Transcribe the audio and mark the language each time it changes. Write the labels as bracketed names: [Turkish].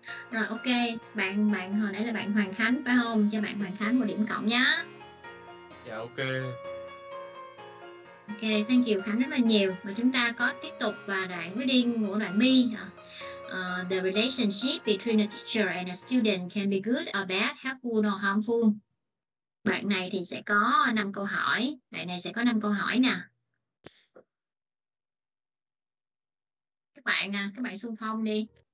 [Vietnamese] Rồi ok, bạn hồi nãy là bạn Hoàng Khánh phải không? Cho bạn Hoàng Khánh một điểm cộng nhé. Dạ ok. Ok, [English] thank you [Vietnamese] Khánh rất là nhiều. Và chúng ta có tiếp tục vào đoạn reading của đoạn B. [English] The relationship between a teacher and a student can be good or bad, helpful or harmful. [Vietnamese] Đoạn này thì sẽ có 5 câu hỏi. Đoạn này sẽ có 5 câu hỏi nè. Các bạn xung phong đi.